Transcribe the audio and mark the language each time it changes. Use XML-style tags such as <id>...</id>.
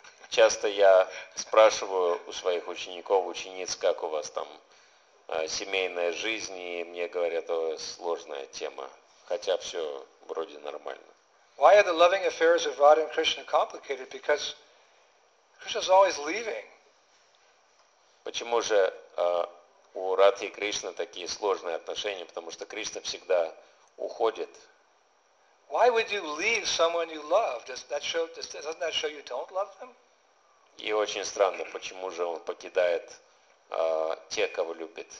<ru>Часто я спрашиваю у своих учеников, учениц, как у вас там семейная жизнь, и мне говорят, это сложная тема, хотя все вроде нормально.</ru> <en>Why are the loving affairs of Radha and Krishna complicated? Because Krishna's always leaving.</en> <ru>Почему же у Радхи и Кришны такие сложные отношения? Потому что Кришна всегда уходит.</ru> <en>Why would you leave someone you love? Doesn't that show you don't love them?</en> <ru>И очень странно, почему же он покидает те, кого любит.</ru>